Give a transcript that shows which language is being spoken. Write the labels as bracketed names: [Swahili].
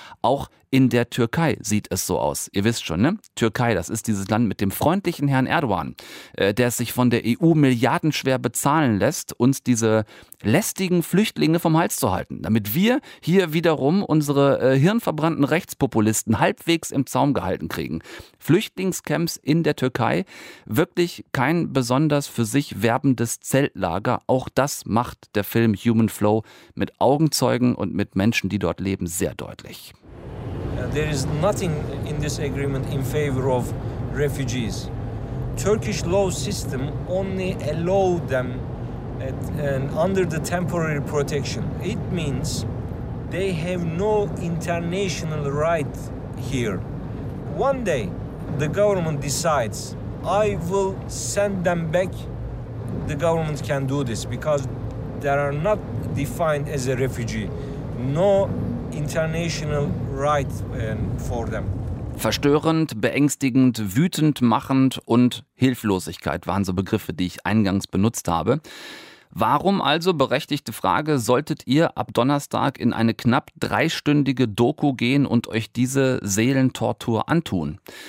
[German] Auch in der Türkei sieht es so aus. Ihr wisst schon, ne? Türkei, das ist dieses Land mit dem freundlichen Herrn Erdogan, der es sich von der EU milliardenschwer bezahlen lässt, uns diese lästigen Flüchtlinge vom Hals zu halten, damit wir hier wiederum unsere hirnverbrannten Rechtspopulisten halbwegs im Zaum gehalten kriegen. Flüchtlingscamps in der Türkei, wirklich kein besonders für sich werbendes Zeltlager. Auch das macht der Film Human Flow mit Augenzeugen und mit Menschen, die dort leben, sehr deutlich. [English] There is nothing in this agreement in favor of refugees. Turkish law system only allow them under the temporary protection. It means they have no international right here. One day the government decides, I will send them back. The government can do this because they are not defined as a refugee. No international right for them. [German] Verstörend, beängstigend, wütend machend und Hilflosigkeit waren so Begriffe, die ich eingangs benutzt habe. Warum also, berechtigte Frage, solltet ihr ab Donnerstag in eine knapp dreistündige Doku gehen und euch diese Seelentortur antun?